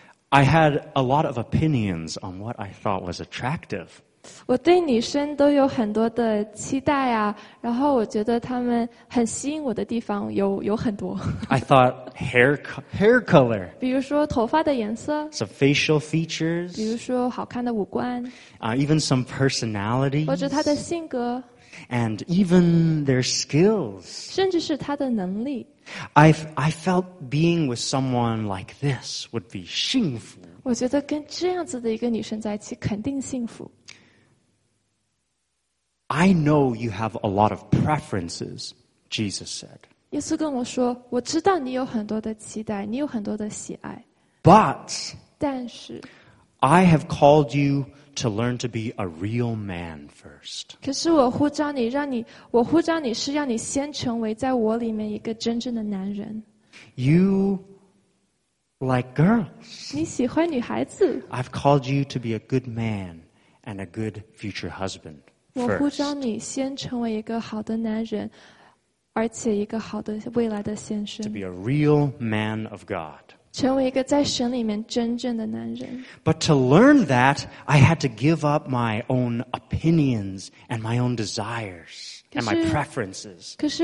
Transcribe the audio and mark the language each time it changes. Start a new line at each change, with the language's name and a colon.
English: I had a lot of opinions on what I thought was attractive.
Chinese: 我对女生都有很多的期待啊，然后我觉得她们很吸引我的地方有很多。
English: I thought hair color.
Chinese: 比如说头发的颜色。
English: Some facial features.
Chinese: 比如说好看的五官。
English: Even some personalities.
Chinese: 或者她的性格。
English: And even their skills.
Chinese: 甚至是她的能力。
English: I felt being with someone like this would be
Chinese: 幸福。我觉得跟这样子的一个女生在一起肯定幸福。
English: I know you have a lot of preferences, Jesus said.
Chinese: 耶稣跟我说，我知道你有很多的期待，你有很多的喜爱。
English: But,
Chinese: 但是
English: I have called you to learn to be a real man first.
Chinese: 可是我呼召你，让你，我呼召你是让你先成为在我里面一个真正的男人。
English: You like girls.
Chinese: 你喜欢女孩子。
English: I've called you to be a good man and a good future husband.
Chinese: 我呼召你先成为一个好的男人，而且一个好的未来的先生。
English: To be a real man of God.
Chinese: 成为一个在神里面真正的男人。
English: But to learn that, I had to give up my own opinions and my own desires and my preferences.